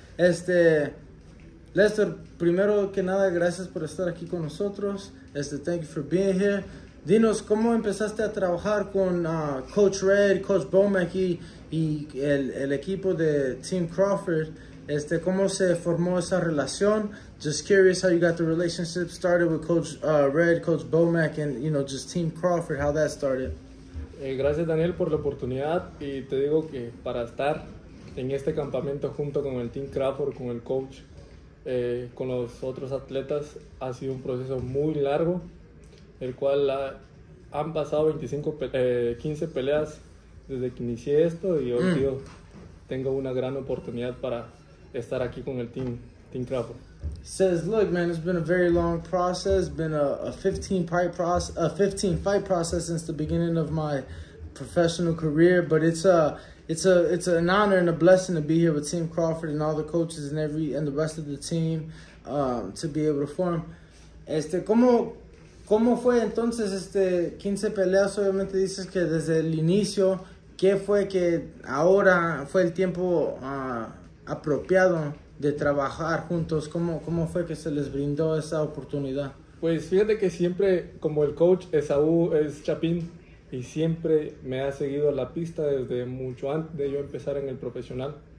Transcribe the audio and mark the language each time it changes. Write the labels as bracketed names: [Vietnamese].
[Spanish] Lester, primero que nada, gracias por estar aquí con nosotros. [English] Thank you for being here. [Spanish] Dinos, ¿cómo empezaste a trabajar con Coach Red, Coach Bomek y el equipo de Team Crawford? ¿Cómo se formó esa relación? [English] Just curious how you got the relationship started with Coach Red, Coach Bomek, and, you know, just Team Crawford, how that started. [Spanish] Gracias, Daniel, por la oportunidad. Y te digo que para estar en este campamento junto con el Team Crawford, con el coach, con los otros atletas, ha sido un proceso muy largo, el cual han pasado 15 peleas desde que inicié esto, y hoy yo tengo una gran oportunidad para estar aquí con el Team Crawford. [English] Says, look, man, it's been a very long process, been a 15 fight process since the beginning of my professional career, but it's an honor and a blessing to be here with Team Crawford and all the coaches and the rest of the team to be able to form. [Spanish] ¿Cómo fue entonces 15 peleas? Obviamente dices que desde el inicio, ¿qué fue que ahora fue el tiempo apropiado de trabajar juntos? ¿Cómo fue que se les brindó esa oportunidad? Pues fíjate que siempre, como el coach Esaú es Chapín, y siempre me ha seguido la pista desde mucho antes de yo empezar en el profesional.